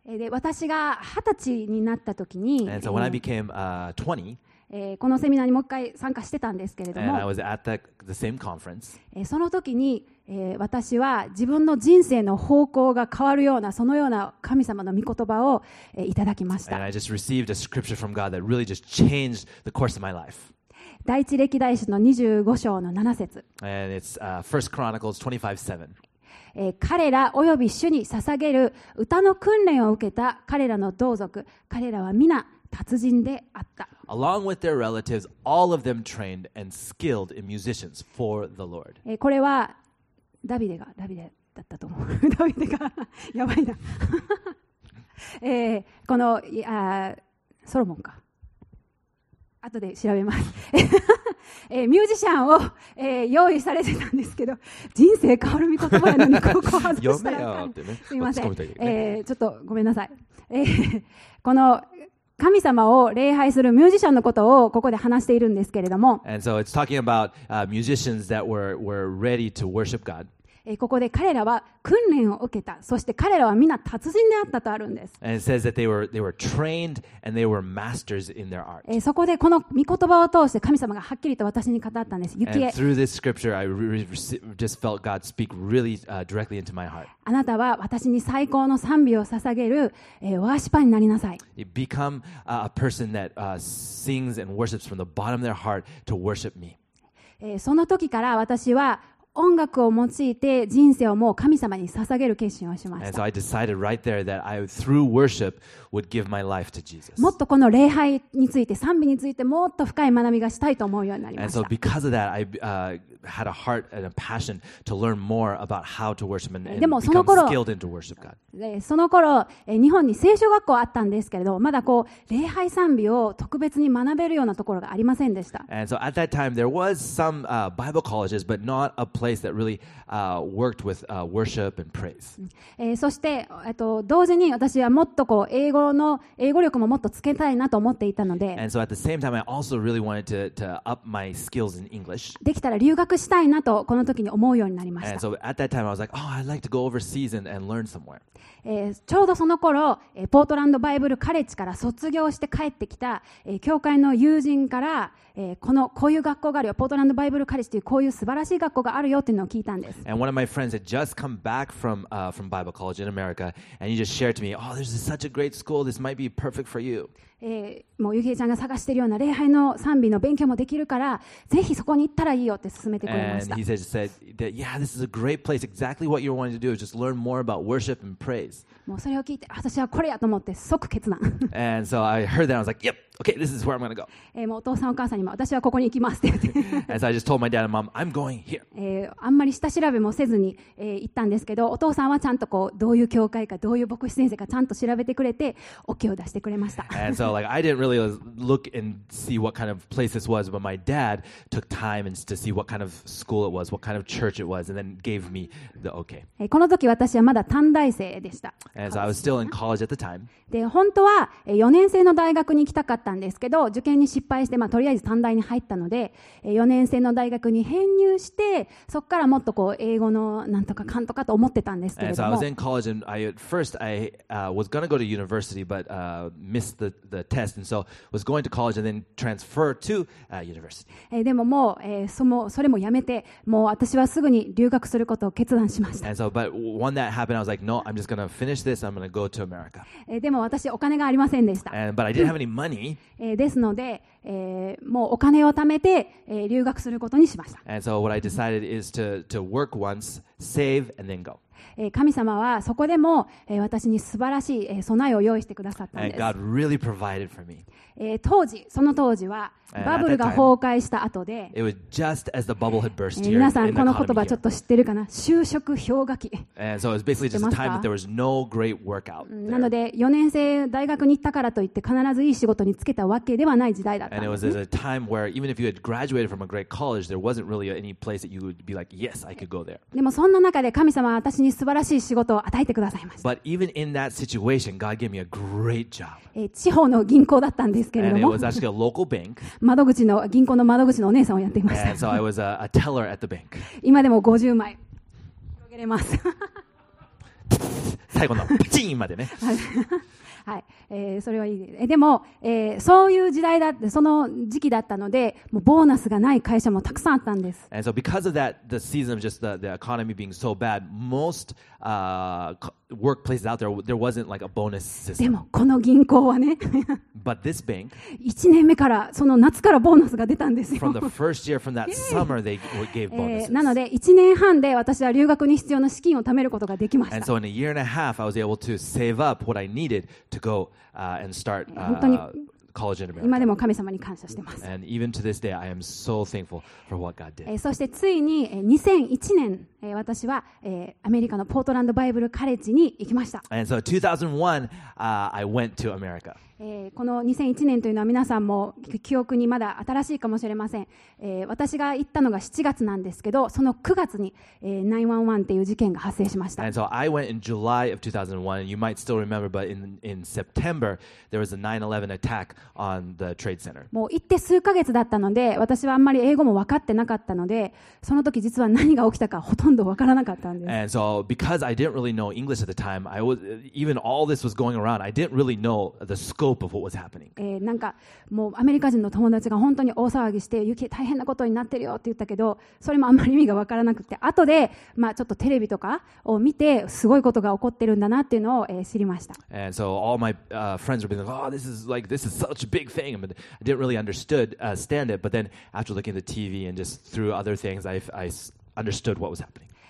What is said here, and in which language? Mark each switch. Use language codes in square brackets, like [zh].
[ja] で私が20歳になった時に、 [en] so became, 20, [ja] このセミナーにもう一回参加してたんですけれども、 [en] and I was at the same conference. [ja] その時に、私は自分の人生の方向が変わるようなそのような神様の御言葉を、いただきました。 [en] and I just received a scripture from God that really just changed the course of my life. [ja] 第一歴代史の25章の7節、 [en] and it's, First Chronicles 25:7 [ja] 彼らおよび主に捧げる歌の訓練を受けた彼らの同族、彼らは皆達人であった。 [en] Along with their relatives, all of them trained and skilled in musicians for the Lord. [ja] これはダビデだったと思う。ダビデがやばいな。このソロモンか。後で調べます。ミュージシャンを、用意されてたんですけど、人生変わる御言葉なのにここ外したらあかん。すみません、ちょっとごめんなさい。この神様を礼拝するミュージシャンのことをここで話しているんですけれども、 [en] And so it's talking about, musicians that were ready to worship God. [ja] ここで彼らは訓練を受けた、そして彼らは皆達人であったとあるんです。 [en] And it says that they were trained and they were masters in their art. [ja] そこでこの御言葉を通して神様がはっきりと私に語ったんです。ユキエ、 [en] And through this scripture I just felt God speak really directly into my heart. [ja] あなたは私に最高の賛美を捧げる、ワーシパーになりなさい。 [en] You become a person that sings and worships from the bottom of their heart to worship me. [ja] その時から私は音楽を用いて人生をもう神様に捧げる決心をしました。 [en] And so I decided right there that I, through worship, would give my life to Jesus. [ja] もっとこの礼拝について、賛美についてもっと深い学びがしたいと思うようになりました。 [en] And so because of that, I, had a heart and a passion to learn more about how to worship and become skilled into worship God. [ja] その頃、日本に聖書学校あったんですけれど、まだこう礼拝賛美を特別に学べるようなところがありませんでした。 [en] And so at that time, there was some, Bible colleges, but not aplace that really, worked with, worship and praise. [ja] そして、同時に私はもっとこう英語力ももっとつけたいなと思っていたので、 [en] And so at the same time, I also really wanted to up my skills in English. [ja] できたら留学したいなとこの時に思うようになりました。 [en] And so at that time, I was like, oh, I'd like to go overseas and learn somewhere. [ja] ちょうどその頃、ポートランドバイブルカレッジから卒業して帰ってきた、教会の友人から、このこういう学校があるよ、ポートランドバイブルカレッジというこういう素晴らしい学校があるよっていうのを聞いたんです。 [en] And one of my friends had just come back from, from Bible College in America, and he just shared to me, oh, this is such a great school, this might be perfect for you. [ja] もうゆきえちゃんが探しているような礼拝の賛美の勉強もできるからぜひそこに行ったらいいよって勧めてくれました。 [en] And he said that, yeah, this is a great place. Exactly what you're wanting to do is just learn more about worship and praise. [ja] もうそれを聞いて私はこれやと思って即決断。 [en] And so I heard that and I was like, yep, okay, this is where I'm going to go. [ja] もうお父さんお母さんにも私はここに行きますって [en] And so I just told my dad and mom, I'm going here. [ja] あんまり下調べもせずに、行ったんですけど、お父さんはちゃんとこうどういう教会かどういう牧師先生かちゃんと調べてくれて OK を出してくれました。 [en] And so like I didn't really look and see what kind of place this was, but my dad took time and to see what kind of school it was, what kind of church it was, and then gave me the okay. [ja] この時私はまだ短大生でした。 [en] And so I was still in college at the time. [ja] で、本当は4年生の大学に行きたかったんですけど、受験に失敗して、まあ、とりあえず短大に入ったので、4年生の大学に編入して、そこからもっとこう英語のなんとかかんとかと思ってたんですけれども。 [en] And so I was in college and I, at first I, was gonna go to university, but, missed the test, and so was going to college and then transfer to, university. [ja] でももう、それもやめて、もう私はすぐに留学することを決断しました。 [en] And so, but when that happened, I was like, no, I'm just gonna finish this, I'm gonna go to America. [ja] でも私お金がありませんでした。 [en] And, but I didn't have any money. [ja] ですので、もうお金を貯めて、留学することにしました。 [en] And so what I decided is to work once, save, and then go. [ja] 神様はそこでも私に素晴らしい備えを用意してくださったんです。 [en] And God really provided for me. [ja] 当時、その当時はバブルが崩壊した後で、 [en] It was just as the bubble had burst here. [ja] 皆さんこの言葉ちょっと知ってるかな？就職氷河期。 [en] And so it was basically just a time that there was no great workout. [ja] なので4年生大学に行ったからといって必ずいい仕事に就けたわけではない時代だったんです。 [en] And it was a time where even if you had graduated from a great college, there wasn't really any place that you would be like, yes, I could go there. [ja] でもそんな中で神様は私に素晴らしい仕事を与えてくださいました。 [en] But even in that situation, God gave me a great job. [ja] 地方の銀行だったんですけれども、 [en] And it was actually a local bank. [ja] 窓口の銀行の窓口のお姉さんをやっていました。 [en] And so I was a teller at the bank. [ja] 今でも50枚広げれます。最後のプチーンまでね。はい、それはいいです。でも、そういう時代だって、その時期だったので、もうボーナスがない会社もたくさんあったんです。 [en] And so because of that, the season of just the economy being so bad, most, workplaces out there, there wasn't like a bonus system. [ja] でも、この銀行はね、 [en] But this bank, [ja] 1年目から、その夏からボーナスが出たんですよ。 [en] From the first year, from that summer, they gave bonuses. [ja] なので、1年半で私は留学に必要な資金を貯めることができました。 [en] And so in a year and a half, I was able to save up what I neededto go and start college in America. [ja] 今でも神様に感謝してます。 [en] And even to this day, I am so thankful for what God did. [ja] そしてついに2001年、私はアメリカのポートランドバイブルカレッジに行きました。 [en] And so 2001, I went to America. [ja] この2001年というのは皆さんも記憶にまだ新しいかもしれません。私が行ったのが7月なんですけど、その9月に911という事件が発生しました。 [en] And so I went in July of 2001. And you might still remember, but in September there was a 9/11 attack on the Trade Center. [ja] もう行って数ヶ月だったので、私はあんまり英語も分かってなかったので、その時実は何が起きたかほとんど分からなかったんです。 [en] And so because I didn't really know English at the time, I was even all this was going around, I didn't really know the scope of what was happening. [ja] なんかもうアメリカ人の友達が本当に大騒ぎして、雪大変なことになってるよって言ったけど、それもあんまり意味が分からなくて、後でまあちょっとテレビとかを見てすごいことが起こってるんだなっていうのを知りました。 [en] And so all my friends were being like, oh, this is such a big thing, but I didn't really understand it. But then after looking at the TV and just through other things, I understood what was happening.